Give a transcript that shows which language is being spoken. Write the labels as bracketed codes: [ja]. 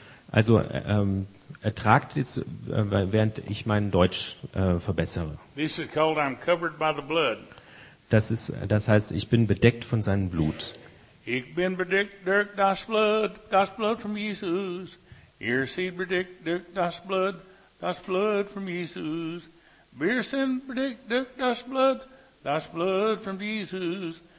[de] Also ertragt jetzt, während ich mein Deutsch verbessere. [en] This is called I'm covered by the blood. [de] Das heißt, ich bin bedeckt von seinem Blut. Ich bin bedeckt durch das Blut von Jesus. Ihr seid bedeckt durch das Blut von Jesus. Wir sind bedeckt durch das Blut von Jesus.